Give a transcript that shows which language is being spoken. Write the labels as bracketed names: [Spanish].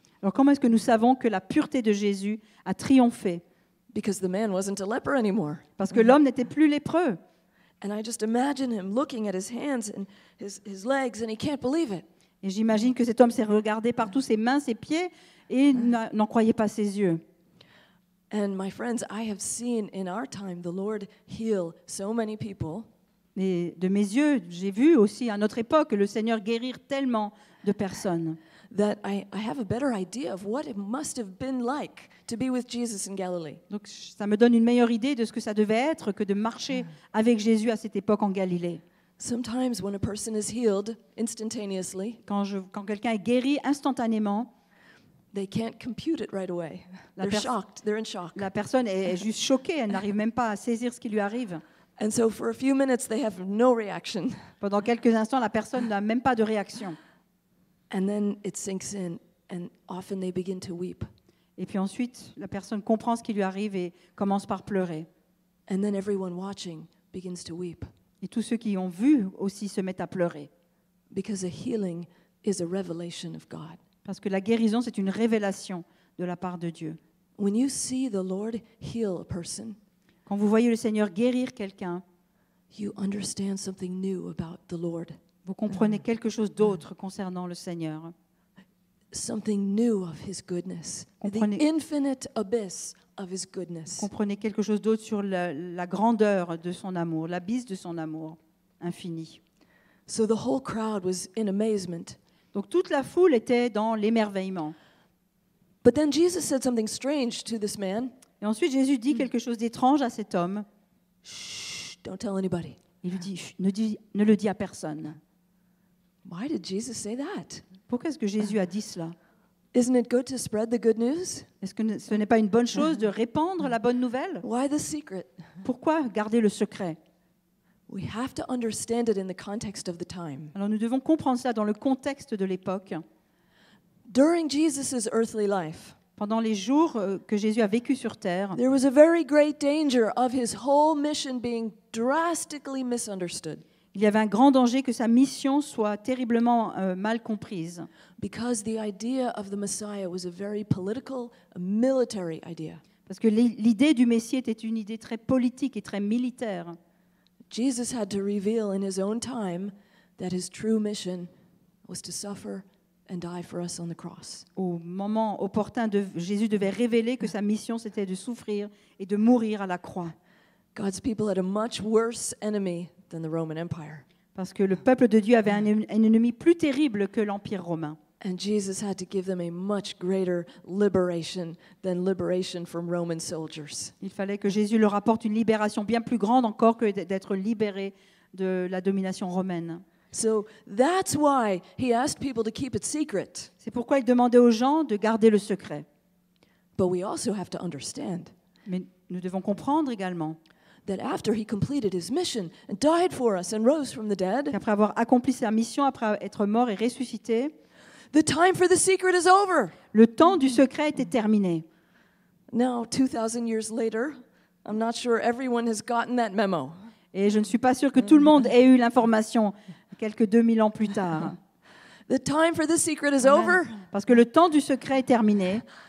[French] Alors comment est-ce que nous savons que la pureté de Jésus a triomphé? [English] Because the man wasn't a leper anymore. [French] Parce que l'homme n'était plus lépreux. [English] And I just imagine him looking at his hands and his legs and he can't believe it. [French] Et j'imagine que cet homme s'est regardé partout ses mains, ses pieds et n'en croyait pas ses yeux. [English] And my friends, I have seen in our time the Lord heal so many people. [French] Et de mes yeux, j'ai vu aussi à notre époque le Seigneur guérir tellement de personnes. [English] That I have a better idea of what it must have been like to be with Jesus in Galilee. [French] Donc ça me donne une meilleure idée de ce que ça devait être que de marcher avec Jésus à cette époque en Galilée. [English] Sometimes when a person is healed instantaneously, [French] quand quelqu'un est guéri instantanément, [English] they can't compute it right away. They're shocked. They're in shock. [French] La personne est juste choquée. Elle n'arrive même pas à saisir ce qui lui arrive. [English] And so for a few minutes, they have no reaction. [French] Pendant quelques instants, la personne n'a même pas de réaction. [English] And then it sinks in, and often they begin to weep. [French] Et puis ensuite, la personne comprend ce qui lui arrive et commence par pleurer. [English] And then everyone watching begins to weep. [French] Et tous ceux qui ont vu aussi se mettent à pleurer. [English] Because a healing is a revelation of God. [French] Parce que la guérison, c'est une révélation de la part de Dieu. [English] When you see the Lord heal a person, [French] quand vous voyez le Seigneur guérir quelqu'un, [English] you understand something new about the Lord. [French] Vous comprenez quelque chose d'autre concernant le Seigneur. [English] Something new of his goodness. The infinite abyss of his goodness. [French] Comprenez quelque chose d'autre sur la grandeur de son amour, l'abysse de son amour infini. [English] So the whole crowd was in amazement. [French] Donc toute la foule était dans l'émerveillement. [English] But then Jesus said something strange to this man. [French] Et ensuite Jésus dit quelque chose d'étrange à cet homme. [English] Shh, don't tell anybody. [French] Il lui dit, ne le dis à personne. [English] Why did Jesus say that? [French] Pourquoi est-ce que Jésus a dit cela? [English] Isn't it good to spread the good news? [French] Est-ce que ce n'est pas une bonne chose de répandre la bonne nouvelle? [English] Why the secret? [French] Pourquoi garder le secret? [English] We have to understand it in the context of the time. [French] Alors nous devons comprendre cela dans le contexte de l'époque. [English] During Jesus's earthly life. [French] pendant les jours que Jésus a vécu sur terre, [English] there was a very great danger of his whole mission being drastically misunderstood. [French] Il y avait un grand danger que sa mission soit terriblement mal comprise. [English] Because the idea of the Messiah was a very political, military idea. [French] Parce que l'idée du Messie était une idée très politique et très militaire. [English] Jesus had to reveal in his own time that his true mission was to suffer and die for us on the cross. [French] Au moment opportun, Jésus devait révéler que sa mission c'était de souffrir et de mourir à la croix. [English] God's people had a much worse enemy than the Roman Empire. [French] Parce que le peuple de Dieu avait un ennemi plus terrible que l'Empire romain. [English] And Jesus had to give them a much greater liberation than liberation from Roman soldiers. [French] Il fallait que Jésus leur apporte une libération bien plus grande encore que d'être libéré de la domination romaine. [English] So that's why he asked people to keep it secret. [French] C'est pourquoi il demandait aux gens de garder le secret. [English] But we also have to understand. [French] Mais nous devons comprendre également. [English] That after he completed his mission and died for us and rose from the dead. [French] Après avoir accompli sa mission, après être mort et ressuscité. [English] The time for the secret is over. [French] Le temps du secret était terminé. [English] Now, 2,000 years later, I'm not sure everyone has gotten that memo. [French] Et je ne suis pas sûr que tout le monde ait eu l'information quelques 2000 ans plus tard. [English] The time for the secret is over. [French] Parce que le temps du secret est terminé.